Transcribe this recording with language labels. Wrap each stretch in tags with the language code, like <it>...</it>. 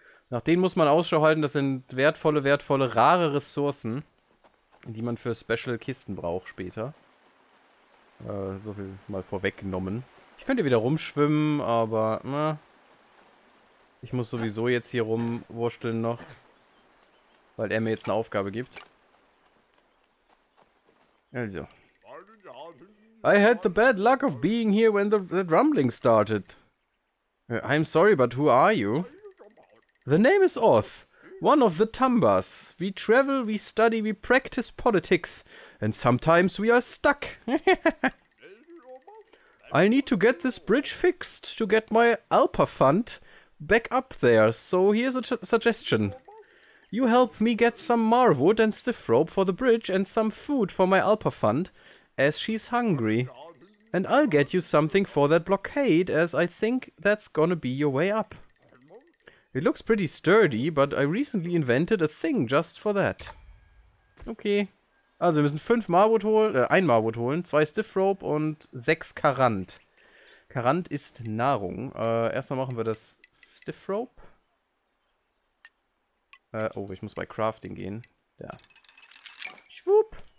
<de>Nach denen muss man Ausschau halten, das sind wertvolle, wertvolle, rare Ressourcen, die man für Special Kisten braucht später. So viel mal vorweggenommen. Ich könnte wieder rumschwimmen, aber, na. Ich muss sowieso jetzt hier rumwursteln noch, weil er mir jetzt eine Aufgabe gibt. Also.</de> <en>I had the bad luck of being here when the rumbling started. I'm sorry, but who are you? The name is Oth, one of the Tambas. We travel, we study, we practice politics, and sometimes we are stuck. I need to get this bridge fixed to get my Alpa Fund back up there, so here's a suggestion. You help me get some marwood and stiff rope for the bridge and some food for my Alpa Fund, as she's hungry. And I'll get you something for that blockade, as I think that's gonna be your way up. It looks pretty sturdy, but I recently invented a thing just for that. Okay.</en> <de>Also wir müssen ein Marwood holen, zwei Stiff Rope und 6 Karant. Karant ist Nahrung. Erstmal machen wir das Stiff Rope. Ich muss bei Crafting gehen. Ja. Schwupp.</de>